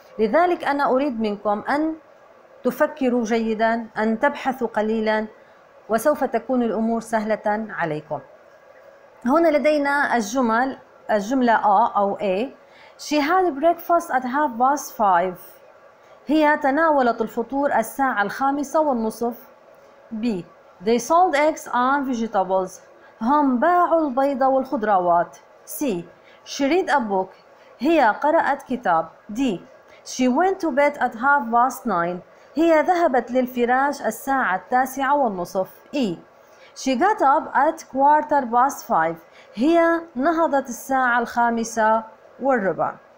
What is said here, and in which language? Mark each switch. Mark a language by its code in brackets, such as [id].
[ar] لذلك أنا أريد منكم أن تفكروا جيدا، أن تبحثوا قليلا، وسوف تكون الأمور سهلة عليكم. هنا لدينا الجملة A. [en] She had breakfast at 5:30. [ar] هي تناولت الفطور الساعة 5:30. B. [en] They sold eggs and vegetables. [ar] هم باعوا البيض والخضروات. [en] C. She read a book. [ar] هي قرأت كتاب. [en] D. She went to bed at 9:30. [ar] هي ذهبت للفراش الساعة 9:30. [en] E. She got up at 5:15. [ar] هي نهضت الساعة 5:15.